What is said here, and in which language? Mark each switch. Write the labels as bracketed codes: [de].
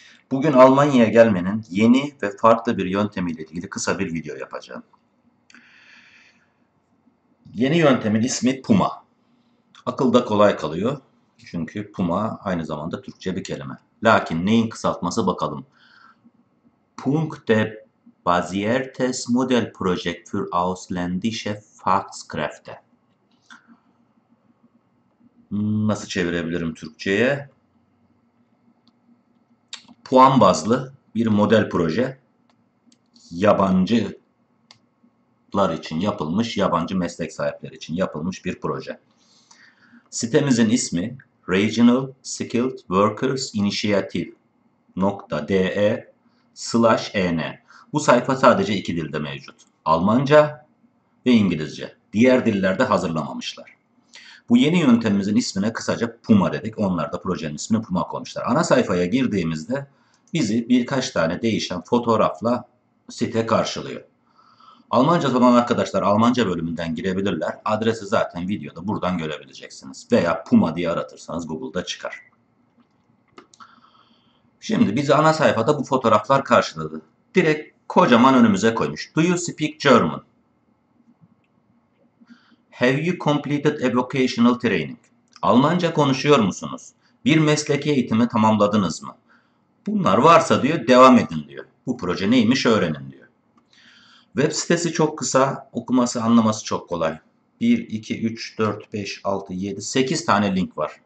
[tr] Bugün Almanya'ya gelmenin yeni ve farklı bir yöntemiyle ilgili kısa bir video yapacağım. Yeni yöntemin ismi Puma. Akılda kolay kalıyor çünkü Puma aynı zamanda Türkçe bir kelime. Lakin neyin kısaltması bakalım. [de] Punkte basiertes Modell Projekt für ausländische Fachkräfte. [tr] Nasıl çevirebilirim Türkçe'ye? Puan bazlı bir model proje, yabancılar için yapılmış, yabancı meslek sahipleri için yapılmış bir proje. Sitemizin ismi Regional Skilled Workers Initiative.de/en. Bu sayfa sadece iki dilde mevcut. Almanca ve İngilizce. Diğer dillerde hazırlamamışlar. Bu yeni yöntemimizin ismine kısaca Puma dedik. Onlar da projenin ismini Puma koymuşlar. Ana sayfaya girdiğimizde bizi birkaç tane değişen fotoğrafla site karşılıyor. Almanca olan arkadaşlar Almanca bölümünden girebilirler. Adresi zaten videoda buradan görebileceksiniz. Veya Puma diye aratırsanız Google'da çıkar. Şimdi bizi ana sayfada bu fotoğraflar karşıladı. Direkt kocaman önümüze koymuş. [en] Do you speak German? Have you completed a vocational training? [tr] Almanca konuşuyor musunuz? Bir mesleki eğitimi tamamladınız mı? Bunlar varsa diyor, devam edin diyor. Bu proje neymiş öğrenin diyor. Web sitesi çok kısa, okuması anlaması çok kolay. 1, 2, 3, 4, 5, 6, 7, 8 tane link var.